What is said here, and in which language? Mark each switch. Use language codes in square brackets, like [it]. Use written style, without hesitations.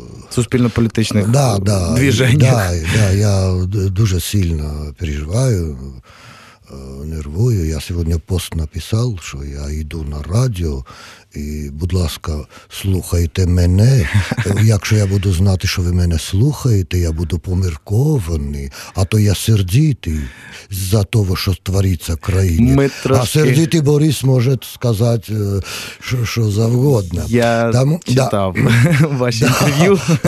[uk] суспільно-політичних движеннях. Да, я дуже сильно переживаю нервую. [ru] Я сегодня пост написал, что я иду на радио, и, [uk] будь ласка, слухайте мене. Якщо я буду знати, що ви мене слухаєте, я буду поміркований, а то я сердитий за того, що твориться в країні. Трошки... А сердитий Борис може сказати, що, що завгодно. Я там, читав ваше інтерв'ю.